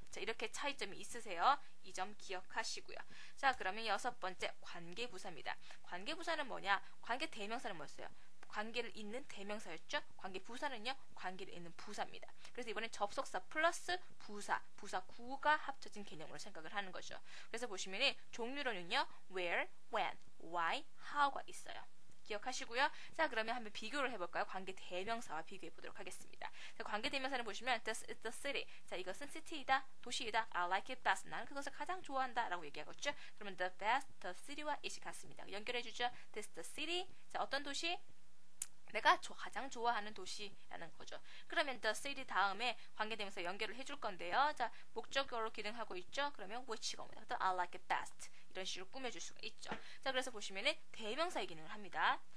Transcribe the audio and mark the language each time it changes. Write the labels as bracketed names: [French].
[Korean] 자 이렇게 차이점이 있으세요. 이 점 기억하시고요. 자 그러면 여섯 번째 관계부사입니다. 관계부사는 뭐냐? 관계대명사는 뭐였어요? 관계를 잇는 대명사였죠? 관계부사는요? 관계를 잇는 부사입니다. 그래서 이번엔 접속사 플러스 부사, 부사구가 합쳐진 개념으로 생각을 하는 거죠. 그래서 보시면 종류로는요? where, when, why, how가 있어요. 기억하시고요. 자 그러면 한번 비교를 해볼까요? 관계대명사와 비교해보도록 하겠습니다. 자, 관계대명사를 보시면 [English] This is the city. [Korean] 자 이것은 city이다. 도시이다. [English] I like it best. [Korean] 나는 그것을 가장 좋아한다. 라고 얘기하겠죠. 그러면 the best, the city와 it이 같습니다. 연결해주죠. [English] This is the city. [Korean] 자 어떤 도시? 내가 가장 좋아하는 도시라는 거죠. 그러면 the city 다음에 관계대명사 연결을 해줄 건데요. 자 목적어로 기능하고 있죠. 그러면 which가 옵니다. [English] The I like it best. [Korean] 이런 식으로 꾸며줄 수가 있죠. 자 그래서 보시면 대명사의 기능을 합니다.